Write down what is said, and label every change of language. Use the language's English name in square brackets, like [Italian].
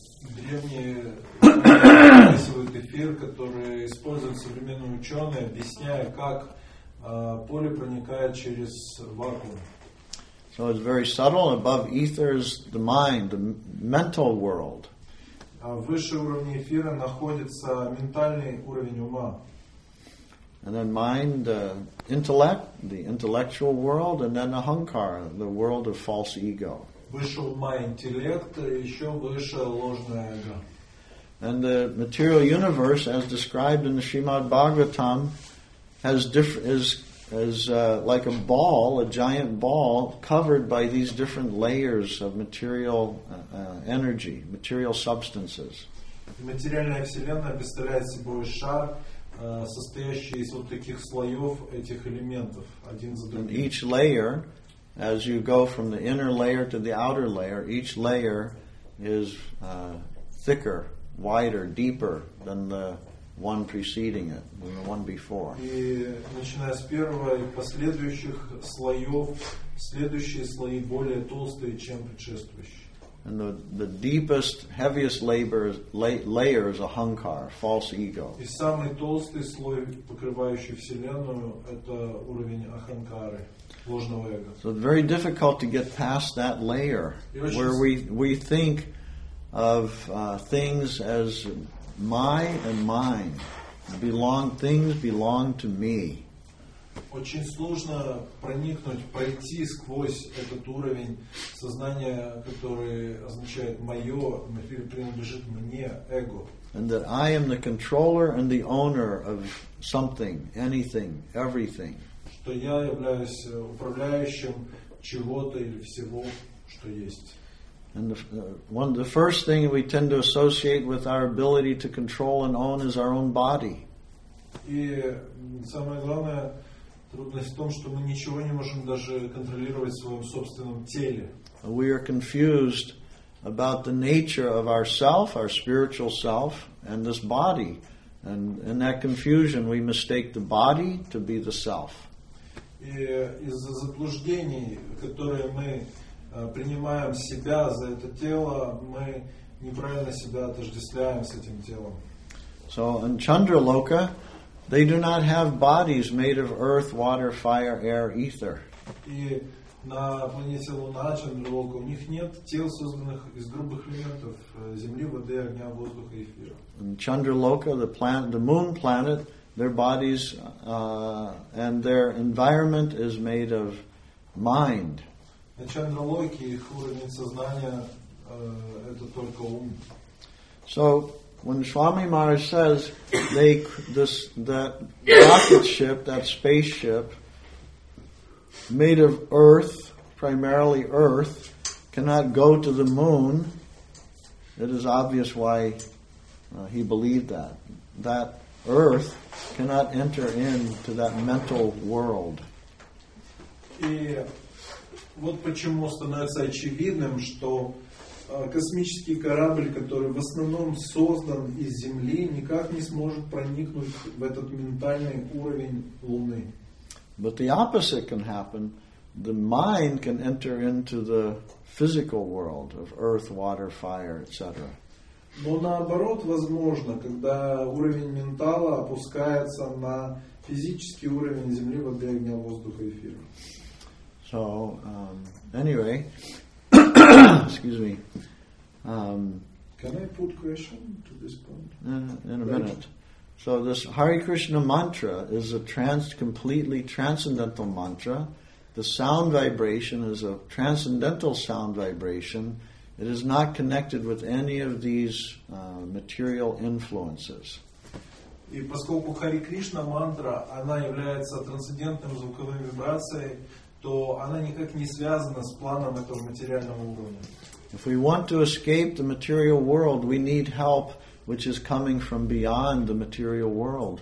[Russian] Древний эфир, который используют современные ученые, объясняя, как поле проникает через вакуум. [English] So it's very subtle. Above ether is the mind, the mental world. [Russian] Выше уровня эфира находится ментальный уровень ума. [English] And then mind, intellect, the intellectual world, and then ahankara, the world of false ego. [Russian] Выше ума интеллект, еще выше ложное эго. [English] And the material universe, as described in the Srimad Bhagavatam, is like a ball, a giant ball, covered by these different layers of material energy, material substances. [Russian] Материальная вселенная представляет собой шар, состоящий из вот таких слоев этих элементов, один за другим. [English] And each layer, as you go from the inner layer to the outer layer, each layer is thicker, wider, deeper than the one preceding it, than the one before. [Russian] И начиная с первого и последующих слоев, следующие слои более толстые, чем предшествующие. [English] And the deepest, heaviest layer is ahankar, false ego. [Russian] И самый толстый слой, покрывающий вселенную, это уровень ахангары. [English] So it's very difficult to get past that layer where we think of things as my and mine. Things belong to me. [Russian] Очень сложно проникнуть, пройти сквозь этот уровень сознания, который означает мое, принадлежит мне, эго. [English] And that I am the controller and the owner of something, anything, everything. [Russian] Что я являюсь управляющим чего-то или всего, что есть. [English] And the first thing we tend to associate with our ability to control and own is our own body. [Russian] И самая главная трудность в том, что мы ничего не можем даже контролировать в своем собственном теле. [English] We are confused about the nature of ourself, our spiritual self, and this body. And in that confusion, we mistake the body to be the self. [Russian] И из-за заблуждений, которые мы принимаем себя за это тело, мы неправильно себя отождествляем с этим телом. [English] So in Chandraloka, they do not have bodies made of earth, water, fire, air, ether. [Russian] И на планете Луна, Чандралока, у них нет тел, созданных из грубых элементов земли, воды, огня, воздуха и эфира. [English] In Chandraloka, the moon planet, their bodies and their environment is made of mind. [Russian] На Чандралоке их уровень сознания это только ум. [English] So when Swami Maharaj says that rocket ship, that spaceship made of earth, primarily earth, cannot go to the moon, it is obvious why he believed that. That earth cannot enter into that mental world. [Russian] И вот почему становится очевидным, что космический корабль, который в основном создан из Земли, никак не сможет проникнуть в этот ментальный уровень Луны. [English] But the opposite can happen. The mind can enter into the physical world of earth, water, fire, etc. [Russian] Но наоборот, возможно, когда уровень ментала опускается на физический уровень земли, воды, огня, воздуха, эфира. [English] So, anyway, excuse me. Can I put question to this point? In a minute. So this Hare Krishna mantra is a completely transcendental mantra. The sound vibration is a transcendental sound vibration. It is not connected with any of these material influences. [Russian] И поскольку Хари Кришна мантра, она является трансцендентным звуковым вибрацией, то она никак не связана с планом этого материального уровня. [English] If we want to escape the material world, we need help which is coming from beyond the material world.